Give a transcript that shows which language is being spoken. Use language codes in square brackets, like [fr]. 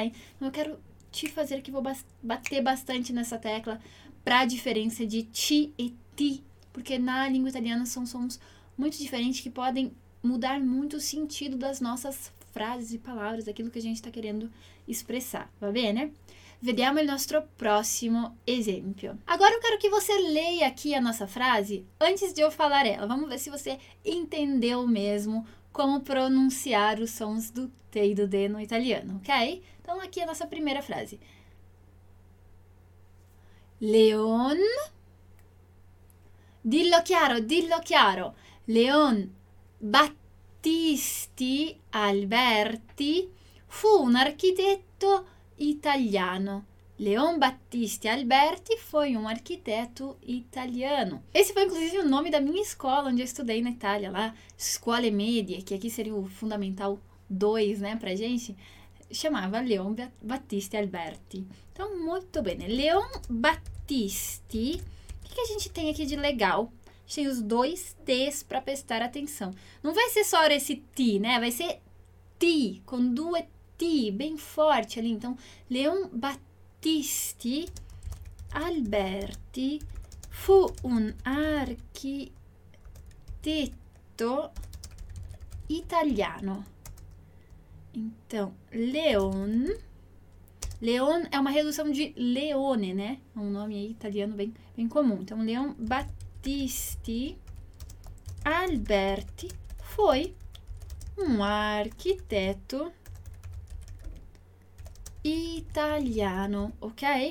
[pt] Então, eu quero te fazer aqui, vou bater bastante nessa tecla para a diferença de ti e ti, porque na língua italiana são sons muito diferentes que podem mudar muito o sentido das nossas frases e palavras, aquilo que a gente está querendo expressar, [it] va bene? Vediamo il nostro prossimo esempio. [pt] Agora eu quero que você leia aqui a nossa frase antes de eu falar ela. Vamos ver se você entendeu mesmo como pronunciar os sons do T e do D no italiano, ok? Então aqui é a nossa primeira frase. Leon. [it] Dillo chiaro. Leon Battisti Alberti fu un architetto italiano. [pt] Leon Battisti Alberti foi um arquiteto italiano. Esse foi, inclusive, o nome da minha escola, onde eu estudei na Itália, lá, Scuole Medie, que aqui seria o fundamental 2, né, pra gente, chamava Leon Battisti Alberti. Então, muito bem. Leon Battisti, o que a gente tem aqui de legal? A gente tem os dois T's pra prestar atenção. Não vai ser só esse T, né? Vai ser T, com duas T, bem forte ali. Então, [it] Leon Battisti Alberti fu un architetto italiano. [pt] Então, Leon é uma redução de Leone, né? É um nome aí italiano bem, bem comum. Então, Leon Battisti Alberti foi um architetto italiano, ok?